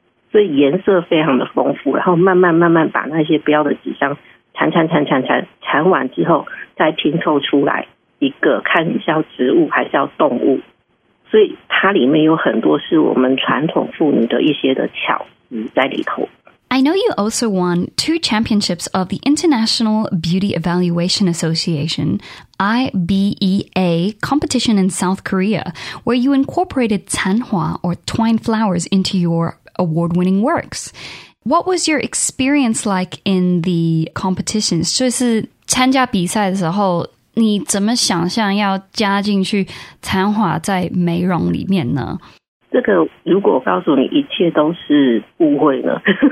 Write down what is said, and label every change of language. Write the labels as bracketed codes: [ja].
[zh] 所以颜色非常的丰富，然后慢慢慢慢把那些不要的纸张缠缠缠缠缠缠完之后，再拼凑出来一个，看你是要植物还是要动物。所以它里面有很多是我们传统妇女的一些的巧思在里头。 [en] I know you also won two championships of the International Beauty Evaluation Association, IBEA, competition in South Korea, where you incorporated 纏花 or twine flowers into your award-winning works. What was your experience like in the competitions? [zh] 就是参加比赛的时候，你怎么想象要加进去纏花在美容里面呢？这个如果我告诉你一切都是误会呢？